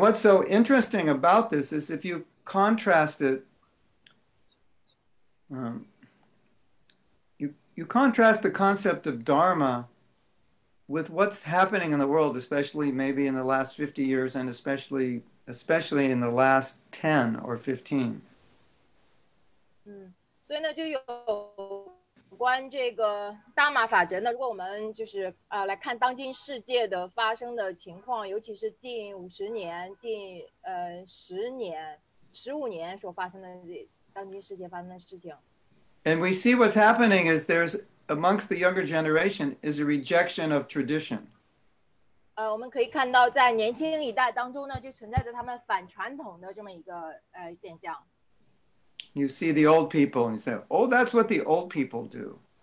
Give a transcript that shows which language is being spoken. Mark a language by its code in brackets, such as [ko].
[en] what's so interesting about this is if you contrast it, you contrast the concept of Dharma with what's happening in the world, especially maybe in the last 50 years and especially in the last 10 or 15. [zh] 所以呢就有关这个大马法则呢,如果我们就是来看当今世界的发生的情况,尤其是近50年,近10年,15年所发生的当今世界发生的事情。 [en] And we see what's happening is there's amongst the younger generation is a rejection of tradition. [zh] 我们可以看到在年轻一代当中呢,就存在着他们反传统的这么一个现象。 [en] You see the old people and you say, oh, that's what the old people do.